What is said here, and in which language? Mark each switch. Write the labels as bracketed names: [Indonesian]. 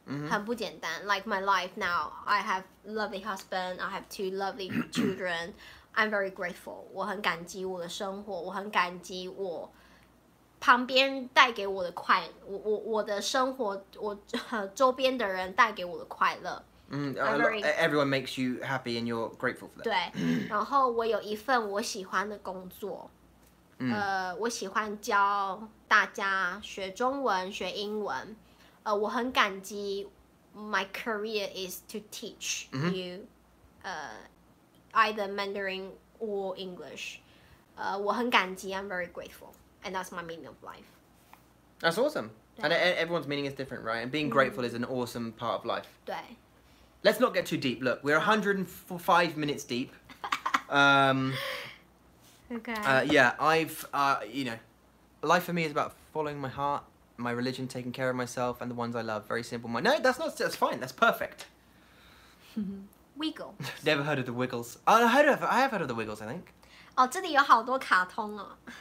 [Chinese] 很不简单 [English] Like my life now, I have a lovely husband, I have two lovely children. I'm very grateful. [Chinese] 我很感激我的生活，我很感激我旁边带给我的快乐，我的生活，我周边的人带给我的快乐。 [English] Everyone makes you happy and you're grateful for that. [Chinese] 对，然后我有一份我喜欢的工作。我喜欢教大家学中文学英文，我很感激 [English] my career is to teach you、either Mandarin or English、 [Chinese] 我很感激 [English] I'm very grateful and that's my meaning of life. That's awesome. And everyone's meaning is different, right? And being grateful is an awesome part of life. [Chinese] 对 [English] Let's not get too deep. Look, we're 105 minutes deep. Okay. You know, life for me is about following my heart, my religion, taking care of myself, and the ones I love. Very simple. No, that's fine. That's perfect. Wiggle. Never heard of the Wiggles. I have heard of the Wiggles, I think. [Chinese] Oh, 这里有好多卡通哦。